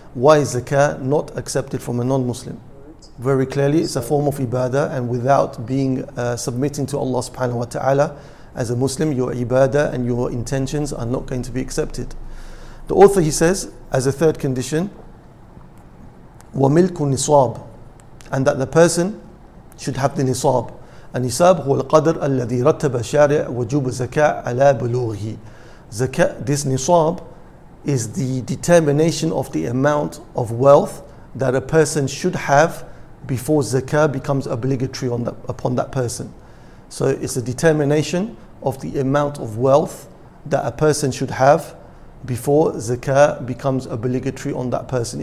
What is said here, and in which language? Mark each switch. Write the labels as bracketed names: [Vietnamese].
[English] Why is zakah not accepted from a non-Muslim? Very clearly, it's a form of ibadah, and without being submitting to Allah subhanahu wa ta'ala as a Muslim, your ibadah and your intentions are not going to be accepted. The author, he says, as a third condition, [Arabic] وَمِلْكُ [English] nisab, and that the person should have the nisab. [Arabic] النِصَاب هو القدر الذي رتب شارع وجوب زكاة على بلوغه. [English] This nisab is the determination of the amount of wealth that a person should have before zakah becomes obligatory upon that person. So it's a determination of the amount of wealth that a person should have before zakah becomes obligatory on that person.